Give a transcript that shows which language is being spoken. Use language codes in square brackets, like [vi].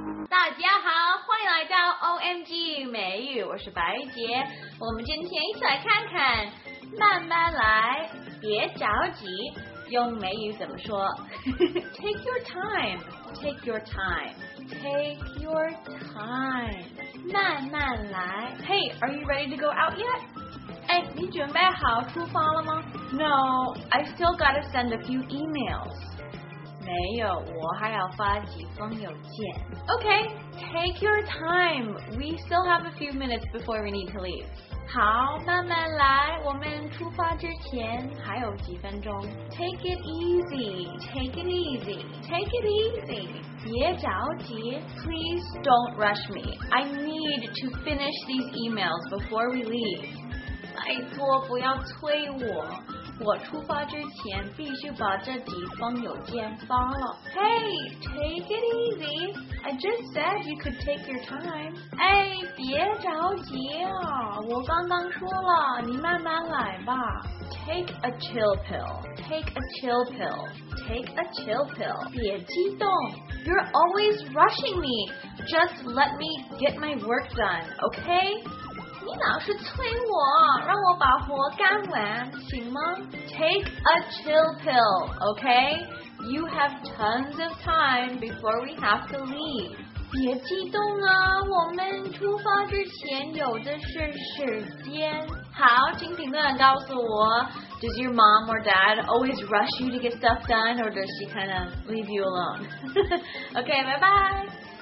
[zh] 大家好，欢迎来到 OMG 美语，我是白洁。我们今天一起来看看，慢慢来，别着急，用美语怎么说？ [en] Take your time, take your time, take your time, [zh] 慢慢来。 [en] Hey, are you ready to go out yet? [zh] 哎，你准备好出发了吗 [en] ？No, I still gotta send a few emails. [zh] 没有，我还要发几封邮件。 [en] Okay, take your time. We still have a few minutes before we need to leave. [zh] 好，慢慢来。我们出发之前还有几分钟。 [en] Take it easy, take it easy, take it easy. [zh] 别着急。 [en] Please don't rush me. I need to finish these emails before we leave. [zh] 拜托不要催我，我出发之前必须把这几封邮件发了。 [en] Hey, take it easy. I just said you could take your time. [zh] 哎，别着急啊，我刚刚说了，你慢慢来吧。 [en] Take a chill pill. Take a chill pill. Take a chill pill. [zh] 别激动。 [en] You're always rushing me. Just let me get my work done, okay? [zh] 你老是催我，让我把活干完，行吗？ [en] Take a chill pill, okay? You have tons of time before we have to leave. [zh] 别激动啊，我们出发之前有的是时间。好，请评论告诉我 [en] ，Does your mom or dad always rush you to get stuff done, or does she kind of leave you alone? Okay, bye bye.